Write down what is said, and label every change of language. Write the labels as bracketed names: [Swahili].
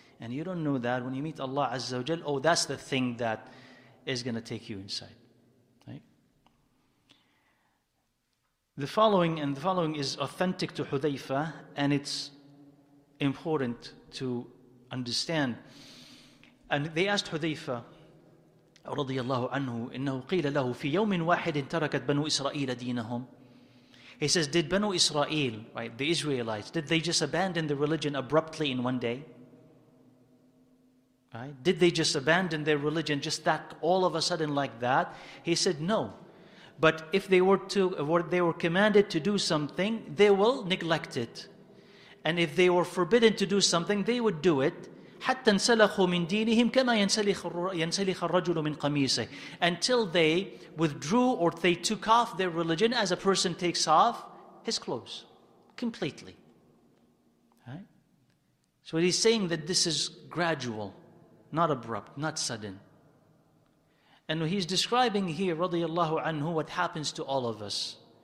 [English] And you don't know that when you meet Allah Azza wa Jal, oh, that's the thing that is going to take you inside. Right? The following is authentic to Hudhayfa, and it's important to understand. And they asked Hudhayfa, [Arabic] رضي الله عنه إنه قيل له في يوم واحد تركت بنو إسرائيل دينهم. [English] He says, did Banu Israel, right, the Israelites, did they just abandon the religion abruptly in one day? Right? Did they just abandon their religion just that all of a sudden like that? He said, no. But if they were to, what they were commanded to do something, they will neglect it. And if they were forbidden to do something, they would do it. [Arabic] حتى انسلخوا من دينهم كما ينسلخ الرجل من قميصه. [English] Until they withdrew or they took off their religion as a person takes off his clothes completely. Right? So what he's saying that this is gradual, not abrupt, not sudden. And what he's describing here, رضي الله عنه, what happens to all of us.